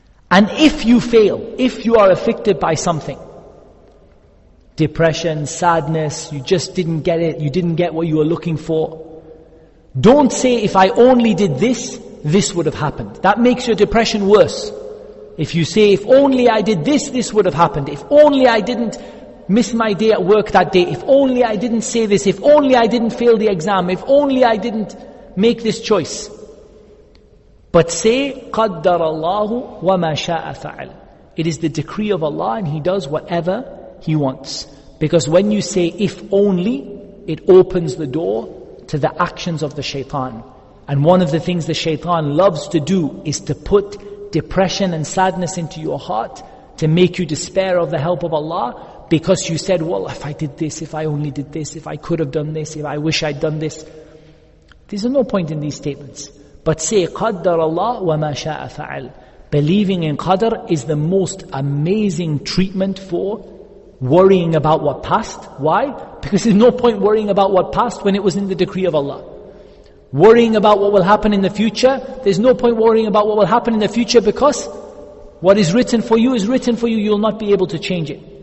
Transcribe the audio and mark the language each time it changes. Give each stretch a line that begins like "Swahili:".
English: And if you fail, if you are afflicted by something, depression, sadness, you just didn't get it, you didn't get what you were looking for, don't say, if I only did this, this would have happened. That makes your depression worse. If you say, if only I did this, this would have happened. If only I didn't miss my day at work that day. If only I didn't say this. If only I didn't fail the exam. If only I didn't make this choice. But say,
Arabic: قَدَّرَ اللَّهُ وَمَا شَاءَ فَعَلَ.
English: It is the decree of Allah and He does whatever He wants. Because when you say, if only, it opens the door to the actions of the shaitan. And one of the things the shaitan loves to do is to put depression and sadness into your heart to make you despair of the help of Allah, because you said, well, if I did this, if I only did this, if I could have done this, if I wish I'd done this. There's no point in these statements. But say,
Arabic: قَدَّرَ اللَّهُ وَمَا شَاءَ فَعَلْ.
English: Believing in Qadr is the most amazing treatment for worrying about what passed. Why? Because there's no point worrying about what passed when it was in the decree of Allah. Worrying about what will happen in the future, there's no point worrying about what will happen in the future, because what is written for you is written for you, you'll not be able to change it.